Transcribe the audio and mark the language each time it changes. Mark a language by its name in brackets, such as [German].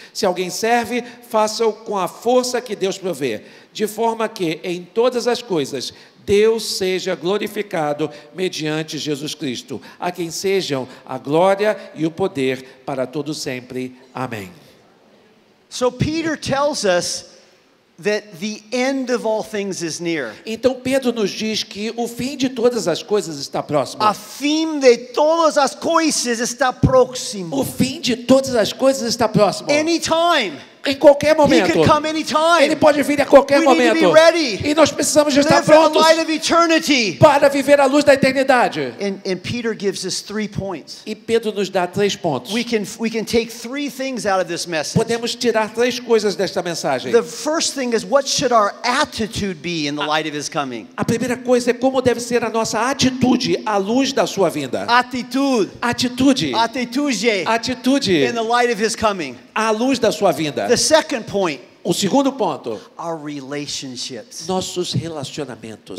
[Portuguese] Se alguém serve, faça-o com a força que Deus provê, de forma que, em todas as coisas, Deus seja glorificado mediante Jesus Cristo, a quem sejam a glória e o poder para todo sempre. Amém. [English] So Peter tells us that the end of all things is near. [Portuguese] Então Pedro nos diz que o fim de todas as coisas está próximo. A fim de todas as coisas está próximo. O fim de todas as coisas está próximo. [English] Anytime. [Portuguese] Em qualquer momento. [English] He can come anytime. [Portuguese] Ele pode vir a qualquer [English] we [Portuguese] momento. [English] Need to be ready. [Portuguese] E nós precisamos [English] live [Portuguese] estar prontos [English] the light of eternity. [Portuguese] Para viver a luz da eternidade. [English] And Peter gives us 3 points. [Portuguese] E Pedro nos dá 3 pontos. [English] We can take 3 things out of this message. [Portuguese] Podemos tirar 3 coisas desta mensagem. [English] The first thing is what should our attitude be in the light of his coming? [Portuguese] A primeira coisa é como deve ser a nossa atitude à luz da sua vinda. Atitude. Atitude. Atitude. Atitude. [English] In the light of his coming. [Portuguese] À luz da sua vinda. [English] The second point, [Portuguese] o segundo ponto, [English] our relationships, [Portuguese] nossos relacionamentos,